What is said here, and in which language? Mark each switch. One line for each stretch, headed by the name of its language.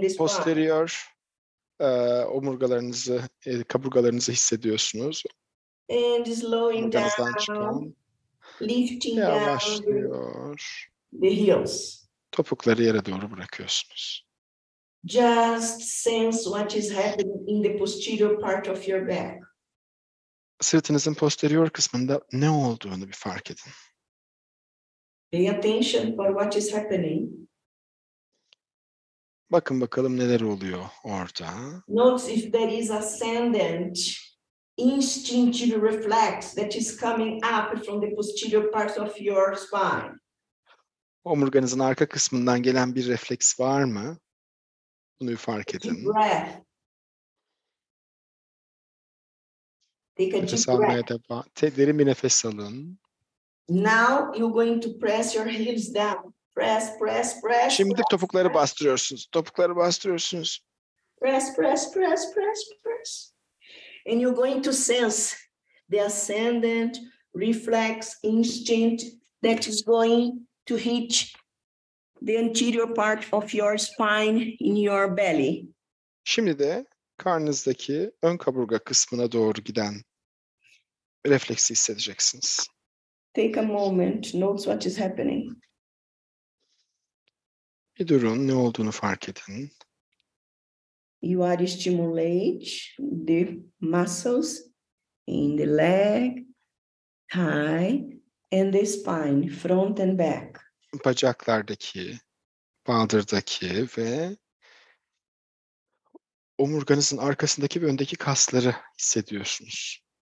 Turkish: Posterior omurgalarınızı, kaburgalarınızı hissediyorsunuz.
English: And slowing down,
Turkish: çıkan,
English: lifting
Turkish: yavaşlıyor.
English: The heels.
Turkish: Topukları yere doğru bırakıyorsunuz.
English: Just sense what is happening in the posterior part of your back.
Turkish: Sırtınızın posterior kısmında ne olduğunu bir fark edin.
English: Pay attention for what is happening.
Turkish: Bakın bakalım neler oluyor orada.
English: Notice if there is ascendant instinctive reflex that is coming up from the posterior part of your spine.
Turkish: Omurganızın arka kısmından gelen bir refleks var mı? Bunu bir fark edin.
English: Take a deep breath.
Turkish: Nefes almaya devam. Derin bir nefes alın.
English: Now you're going to press your heels down. Press, press, press.
Turkish: Şimdi
English: press,
Turkish: topukları
English: press.
Turkish: Bastırıyorsunuz. Topukları bastırıyorsunuz.
English: Press, press, press, press, press. And you're going to sense the ascendant reflex instinct that is going to hit the anterior part of your spine in your belly.
Turkish: Şimdi de karnınızdaki ön kaburga kısmına doğru giden refleksi hissedeceksiniz.
English: Take a moment. Notice what is happening.
Turkish: Bir durun, ne olduğunu fark edin.
English: You are stimulate the muscles in the leg, thigh and the spine, front and back.
Turkish: Bacaklardaki, baldırdaki ve omurganızın arkasındaki ve öndeki kasları hissediyorsunuz.